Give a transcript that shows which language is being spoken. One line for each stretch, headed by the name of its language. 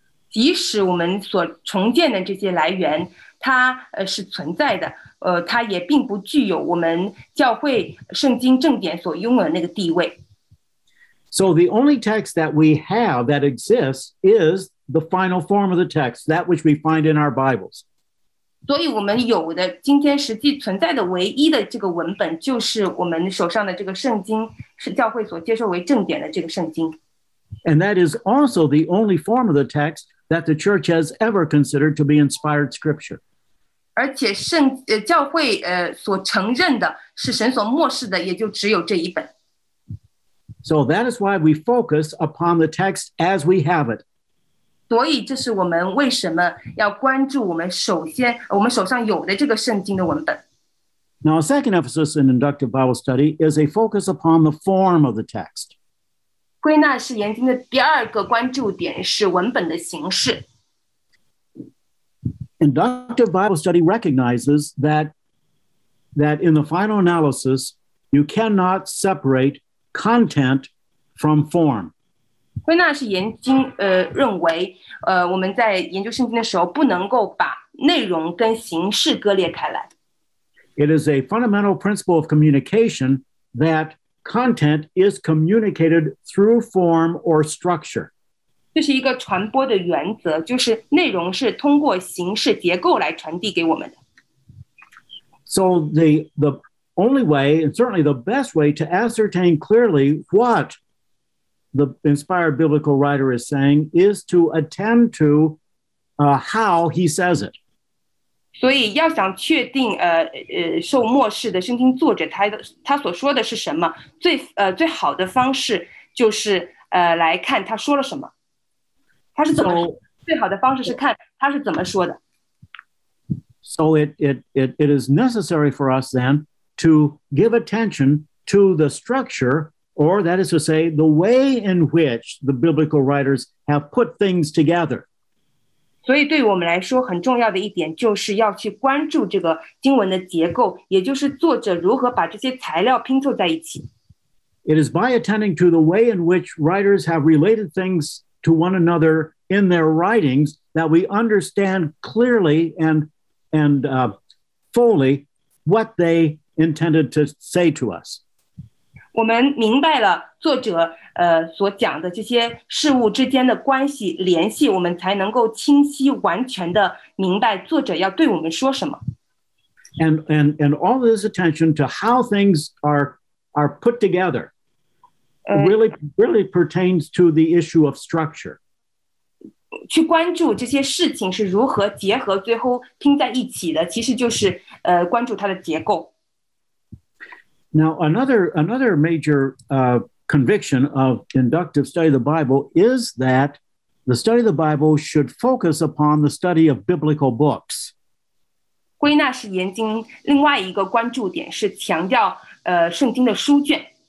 Chinese: 即使我们所重建的这些来源，它是存在的，它也并不具有我们教会圣经正典所拥有的那个地位。
English: So the only text that we have that exists is the final form of the text, that which we find in our Bibles.
Chinese: 所以我们有的今天实际存在的唯一的这个文本就是我们手上的这个圣经，是教会所接受为正典的这个圣经。
English: And that is also the only form of the text that the church has ever considered to be inspired scripture.
Chinese: 而且教会所承认的是神所默示的也就只有这一本。
English: So that is why we focus upon the text as we have it.
Chinese: 所以这是我们为什么要关注我们手上有的这个圣经的文本。
English: Now a second emphasis in inductive Bible study is a focus upon the form of the text.
Chinese: 归纳式研经的第二个关注点是文本的形式。
English: Inductive Bible study recognizes that in the final analysis, you cannot separate content from form.
Chinese: 归纳式研经认为我们在研究圣经的时候不能够把内容跟形式割裂开来。
English: It is a fundamental principle of communication that content is communicated through form or structure.
Chinese: 这是一个传播的原则，就是内容是通过形式结构来传递给我们的。
English: So the only way, and certainly the best way, to ascertain clearly what the inspired biblical writer is saying is to attend to how he says it.
Chinese: 所以要想确定受默示的圣经作者他所说的是什么，最好的方式就是来看他说了什么。他是怎么说的？最好的方式是看他是怎么说的。
English: So it is necessary for us then,to give attention to the structure, or that is to say, the way in which the biblical writers have put things together.
Chinese: 所以对我们来说很重要的一点就是要去关注这个经文的结构，也就是作者如何把这些材料拼凑在一起。
English: It is by attending to the way in which writers have related things to one another in their writings that we understand clearly and fully what they intended to say to us.
Chinese: 我们明白了作者所讲的这些事物之间的关系联系，我们才能够清晰完全的明白作者要对我们说什么。
English: And all this attention to how things are put together really pertains to the issue of structure.
Chinese: 去关注这些事情是如何结合最后拼在一起的，其实就是关注它的结构。
English: Now, another major conviction of inductive study of the Bible is that the study of the Bible should focus upon the study of biblical books.
Chinese: 归纳式研经另外一个关注点是强调圣经的书卷。